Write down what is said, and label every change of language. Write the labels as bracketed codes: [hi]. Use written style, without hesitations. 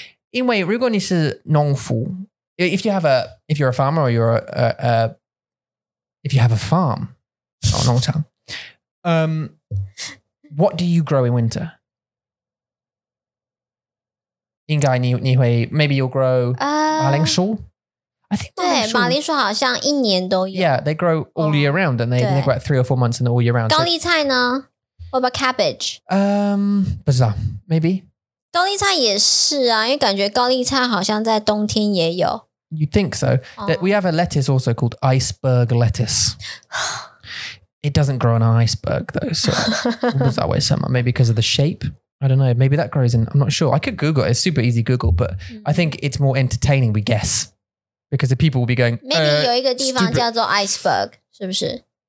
[zh] 因为如果你是农夫, [en] if you have a, if you're a farmer or you're a, if you have a farm, 农场, what do you grow in winter? [zh] 应该 你会, [en] maybe you'll grow [zh] 马铃薯。马铃薯好像一年都有。 [en] Yeah, they grow all year round, and they grow three or four months and all year round. [zh] 高丽菜呢? [en] What about cabbage? [zh] 不知道, maybe. 高丽菜也是啊,因为感觉高丽菜好像在冬天也有。 [en] You think so? We have a lettuce also called iceberg lettuce. It doesn't grow on an iceberg though, so [zh] 不知道为什么, [en] maybe because of the shape? I don't know. Maybe that grows in, I'm not sure. I could Google it. It's super easy Google, but I think it's more entertaining, we guess. Because the people will be going, [zh] maybe 有一个地方叫做 iceberg, 是不是?